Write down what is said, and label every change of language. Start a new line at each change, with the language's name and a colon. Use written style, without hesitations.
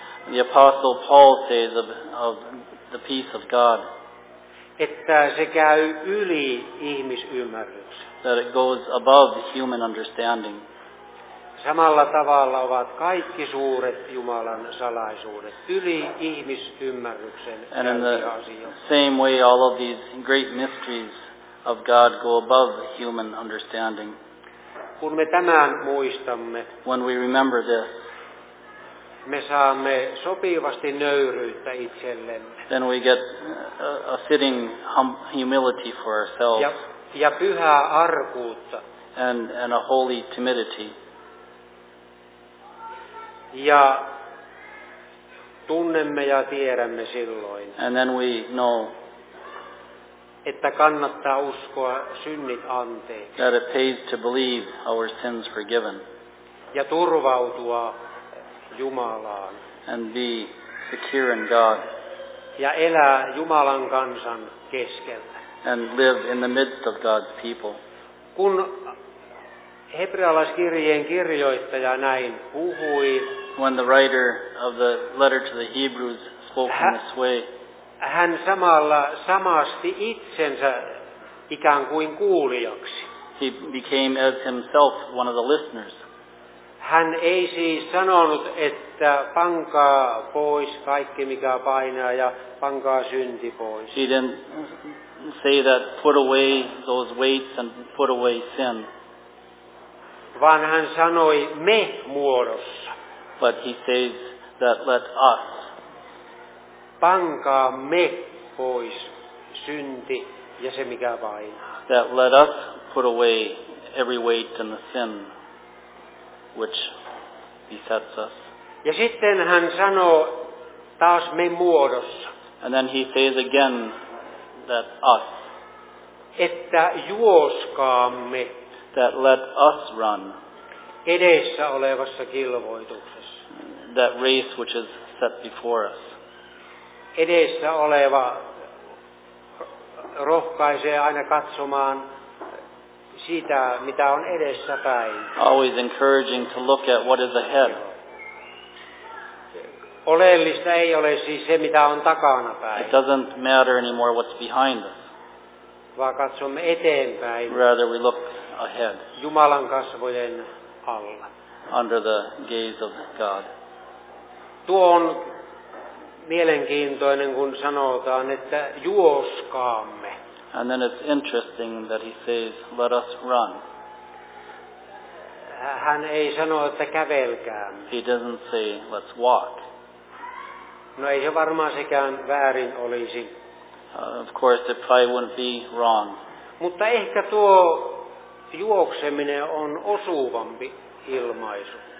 English: The Apostle Paul says of the peace of God.
Finnish: Että se käy yli ihmisymmärryksen.
English: That it goes above human understanding.
Finnish: Samalla tavalla ovat kaikki suuret Jumalan salaisuudet yli ihmisymmärryksen asioita.
English: And in the same way, all of these great mysteries of God go above human understanding.
Finnish: Kun me tämän muistamme,
English: when we remember this,
Finnish: me saamme sopivasti nöyryyttä itsellemme.
English: Then we get a fitting humility for ourselves.
Finnish: Ja pyhää arkuutta.
English: And a holy timidity.
Finnish: Ja tunnemme ja tiedämme silloin,
English: and then we know,
Finnish: että kannattaa uskoa synnit anteeksi,
English: that it pays to believe our sins forgiven,
Finnish: ja turvautua Jumalaan,
English: and be secure in God,
Finnish: ja elää Jumalan kansan keskellä,
English: and live in the midst of God's people.
Finnish: Kun hebrealaiskirjeen kirjoittaja näin puhui,
English: when the writer of the letter to the Hebrews spoke in this way,
Finnish: hän samalla samasti itsensä ikään kuin kuulijaksi.
English: He became as himself one of the listeners.
Finnish: Hän ei siis sanonut, että pankaa pois kaikki, mikä painaa, ja pankaa synti pois.
English: He didn't say that put away those weights and put away sin.
Finnish: Vaan hän sanoi me muodossa.
English: But he says that let us.
Finnish: Pankaa me pois synti ja se, mikä painaa.
English: That let us put away every weight and the sin which besets us.
Finnish: Ja sitten hän sanoo taas me muodossa.
English: And then he says again that us.
Finnish: Että juoskaamme.
English: That let us run.
Finnish: Edessä olevassa kilvoituksessa.
English: That race which is set before us.
Finnish: Edessä oleva rohkaisee aina katsomaan sitä, mitä on edessä päin.
English: Always encouraging to look at what is ahead.
Finnish: Oleellista ei ole siis se, mitä on takana päin.
English: It doesn't matter anymore what's behind us.
Finnish: Vaan katsomme eteenpäin.
English: Rather we look ahead.
Finnish: Jumalan kasvojen alla.
English: Under the gaze of God.
Finnish: Tuo on mielenkiintoinen, kun sanotaan, että juoskaamme.
English: And then it's interesting that he says, let us run.
Finnish: Hän ei sano, että kävelkäämme.
English: He doesn't say, let's walk.
Finnish: No ei se varmaan sekään väärin olisi.
English: Of course, it probably wouldn't be wrong.
Finnish: Mutta ehkä tuo juokseminen on osuvampi ilmaisu.